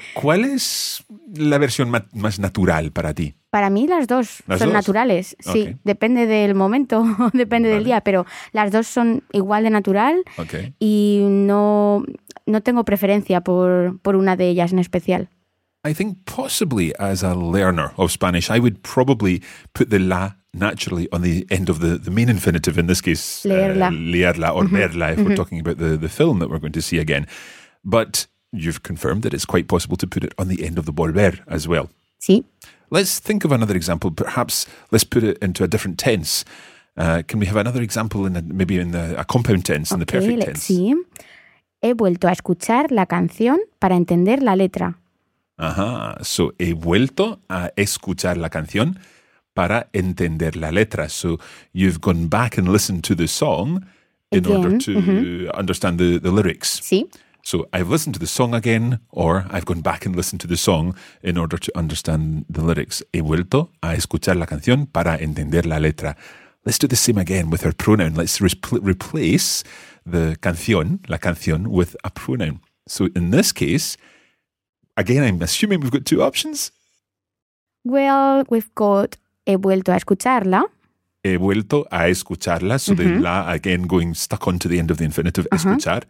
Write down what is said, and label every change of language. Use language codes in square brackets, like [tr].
[es] ¿Cuál es la versión más natural para ti? Para mí las dos ¿Las son dos? Naturales. Sí, okay. Depende del momento, depende vale. del día, pero las dos son igual de natural okay. y no tengo preferencia por una de ellas en especial. [en] I think possibly as a learner of Spanish, I would probably put the la naturally on the end of the main infinitive, in this case, [es] leerla [en] or verla, if we're talking about the film that we're going to see again. But you've confirmed that it's quite possible to put it on the end of the volver as well. [es] Sí. [en] Let's think of another example. Perhaps let's put it into a different tense. Can we have another example in a compound tense, okay, in the perfect tense? [es] Sí. He vuelto a escuchar la canción para entender la letra. Ajá. So, he vuelto a escuchar la canción para entender la letra. [en] So, you've gone back and listened to the song in again. Order to understand the lyrics. [es] Sí. [en] So, I've listened to the song again, or I've gone back and listened to the song in order to understand the lyrics. [es] He vuelto a escuchar la canción para entender la letra. [en] Let's do the same again with our pronoun. Let's replace the canción, [es] la canción, [en] with a pronoun. So, in this case, again, I'm assuming we've got two options. Well, we've got [es] he vuelto a escucharla. He vuelto a escucharla. [en] So, the la, again, going stuck onto the end of the infinitive, escuchar.